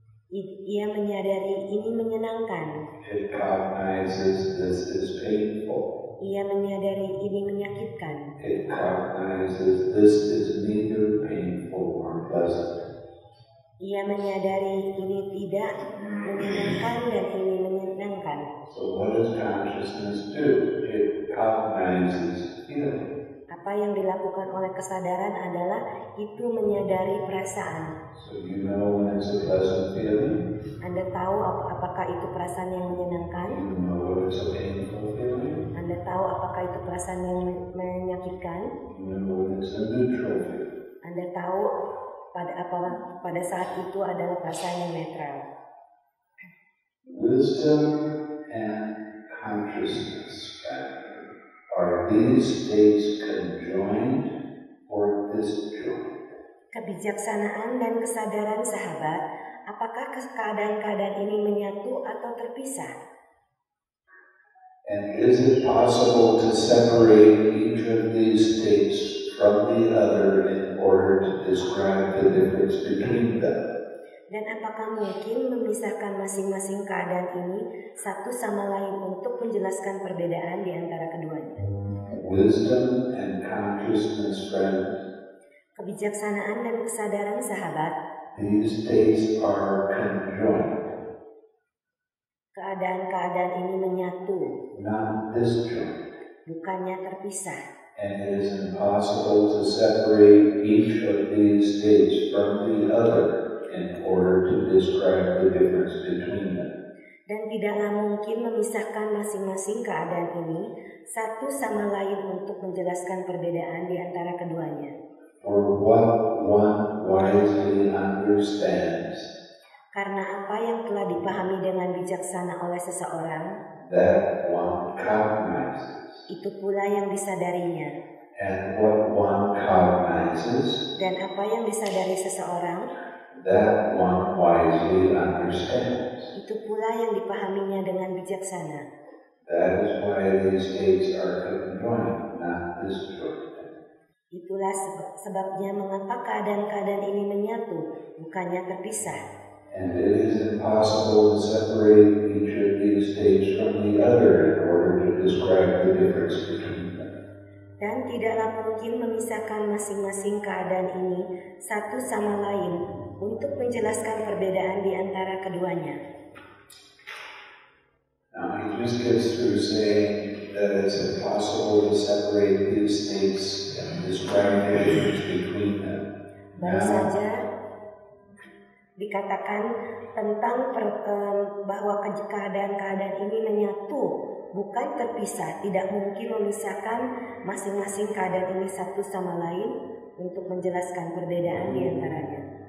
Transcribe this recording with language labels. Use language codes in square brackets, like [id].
[id] Ia menyadari ini menyenangkan. [en] It cognizes this is painful. [id] Ia menyadari ini menyakitkan. [en] It cognizes this is neither painful nor pleasant. [id] Ia menyadari ini tidak menyenangkan dan ini menyenangkan. [en] So what does consciousness do? It cognizes feeling. [id] Apa yang dilakukan oleh kesadaran adalah itu menyadari perasaan. [en] So you know when it's a pleasant feeling? [id] Anda tahu apakah itu perasaan yang menyenangkan? [en] You know when it's a painful feeling? [id] Anda tahu apakah itu perasaan yang menyakitkan? [en] You know when it's a neutral feeling? [id] Anda tahu pada saat itu adalah perasaan yang netral. [en] Wisdom and consciousness are these states conjoined or disjoined? [id] Kebijaksanaan dan kesadaran, sahabat, apakah keadaan-keadaan ini menyatu atau terpisah? [en] And is it possible to separate each of these states from the other in order to describe the difference between them? [id] Dan apakah mungkin memisahkan masing-masing keadaan ini satu sama lain untuk menjelaskan perbedaan di antara keduanya? [en] Wisdom and consciousness, friend. [id] Kebijaksanaan dan kesadaran, sahabat. [en] These states are conjoined. [id] Keadaan-keadaan ini menyatu. [en] Non-disjoined. [id] Bukannya terpisah. [en] And it is impossible to separate each of these states from the other in order to describe the difference between them. [id] Dan tidaklah mungkin memisahkan masing-masing keadaan ini satu sama lain untuk menjelaskan perbedaan di antara keduanya. [en] For what one wisely understands. [id] Karena apa yang telah dipahami dengan bijaksana oleh seseorang. [en] That one cognizes. [id] Itu pula yang disadarinya. [en] And what one cognizes, [id] dan apa yang disadari seseorang, [en] that one wisely understands, [id] itu pula yang dipahaminya dengan bijaksana. [en] That is why these states are conjoined, not disjoined. [id] Itulah sebabnya mengapa keadaan-keadaan ini menyatu, bukannya terpisah. [en] And it is impossible to separate each of these states from the other in order to describe the difference between them. [id] Dan tidaklah mungkin memisahkan masing-masing keadaan ini satu sama lain untuk menjelaskan perbedaan di antara keduanya. [en] Now he just gets through saying that it's impossible to separate these states and describe the difference between them. [id] Baru saja dikatakan tentang bahwa keadaan-keadaan ini menyatu, bukan terpisah, tidak mungkin memisahkan masing-masing keadaan ini satu sama lain untuk menjelaskan perbedaan di antaranya.